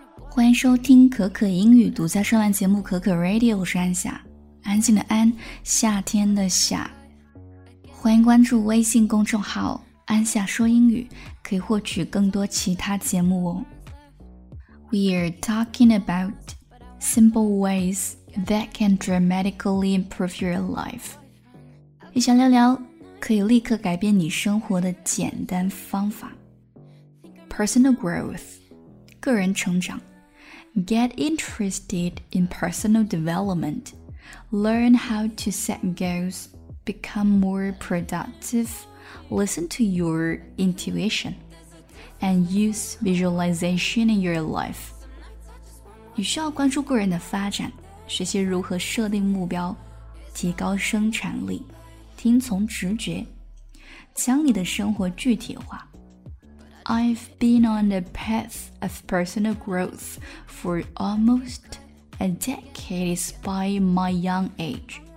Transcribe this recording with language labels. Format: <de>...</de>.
<zh>欢迎收听可可英语独家专栏节目可可 Radio， 我是安夏，安静的安，夏天的夏。欢迎关注微信公众号安夏说英语，可以获取更多其他节目哦。</zh> <en>We are talking about simple ways that can dramatically improve your life.</en> <zh>一起聊聊可以立刻改变你生活的简单方法。</zh> <en>Personal growth，</en> <zh>个人成长。</zh> <en>Get interested in personal development. Learn how to set goals. Become more productive. Listen to your intuition. And use visualization in your life.</en> <zh>你需要关注个人的发展，学习如何设定目标，提高生产力，听从直觉，将你的生活具体化。</zh> <en>I've been on the path of personal growth for almost a decade by my young age.</en>